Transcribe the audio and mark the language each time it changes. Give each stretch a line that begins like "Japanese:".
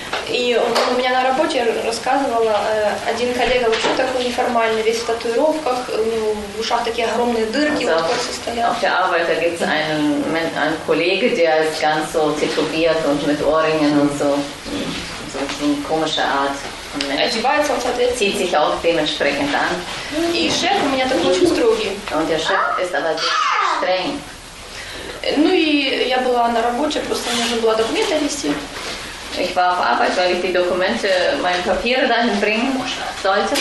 Russian: У меня на работе рассказывала один коллега, вообще такой неформальный, весь в татуировках, у него в ушах такие огромные дырки, also, вот кольца стоят.
German: Auf der Arbeit gibt es einen Kollege, der ist ganz so tätowiert und mit Ohrringen und so. So eine komische Art.
Russian: Одевается он, соответственно.
German: Zieht sich auch dementsprechend an.
Russian: И шеф у меня такой очень строгий.
German: Und der Chef ist aber sehr streng.
Russian: Ну и я была на работе, просто мне нужно было документы вести.
German: Ich war auf Arbeit, weil ich die Dokumente, meine Papiere dahin bringen sollte.